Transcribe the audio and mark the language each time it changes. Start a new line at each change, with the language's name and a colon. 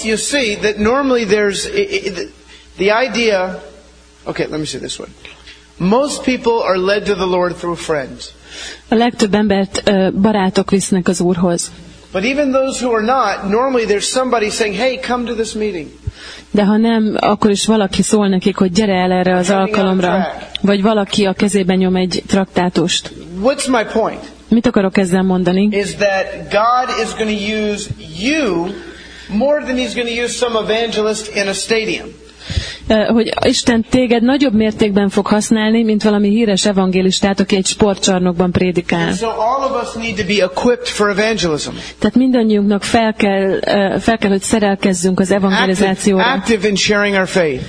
English: So you see that normally there's the idea. Okay, let me see this one. Most people are led to the Lord through friends.
Hungarian: A legtöbb embert barátok visznek az Úrhoz.
English: But even those who are not, normally there's somebody saying, "Hey, come to this meeting."
Hungarian: De ha nem, akkor is valaki szól nekik, hogy gyere el erre az alkalomra, vagy valaki a kezében nyom egy traktátust.
English: What's my point?
Hungarian: Mit akarok ezzel mondani?
English: Is that God is going to use you more than he's going to use some evangelist in a stadium.
Hungarian: Hogy Isten téged nagyobb mértékben fog használni, mint valami híres evangélistát, aki egy sportcsarnokban prédikál.
English: So all of us need to be equipped for evangelism.
Hungarian: Tehát mindannyiunknak fel kell, hogy szerelkezzünk az evangelizációra.
English: Active in sharing our faith.